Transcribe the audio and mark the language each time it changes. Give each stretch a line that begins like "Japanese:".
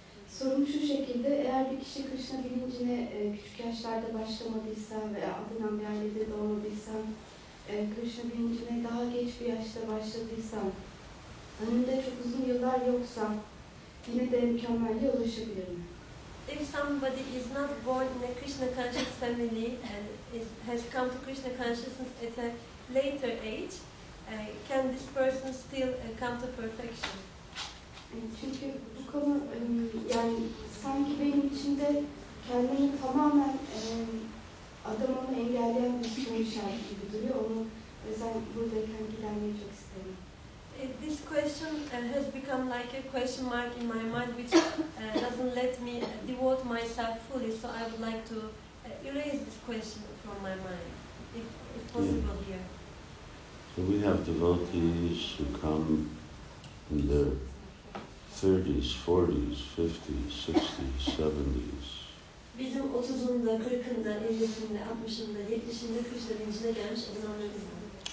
Turkish: Sorum şu şekilde, eğer bir kişi Krishna bilincine küçük yaşlarda başlamadıysa ve adından bir ailede doğmadıysa, Krishna bilincine daha geç bir yaşta başladıysa, önünde çok uzun yıllar yoksa, yine de mükemmelliğe ulaşabilir mi?
English: If somebody is not born in a Krishna conscious family and has come to Krishna consciousness at a later age, can this person still come to perfection?
Turkish: Çünkü bu konu yani sanki benim için de kendimi tamamen adamını engelleyen bir soru işareti gibi duruyor. Onu özel buradayken gidermeyi çok isterim.
English: This question has become like a question mark in my mind, which doesn't let me devote myself fully. So I would like to erase this question from my mind, if possible here. So we have devotees who come in their 30s, 40s, 50s, 60s, 70s.
Turkish: Bizim 30'unda, 40'ında, 50'sinde, 60'ında, 70'inde Krishna bilincine gelmiş adamlarımız var.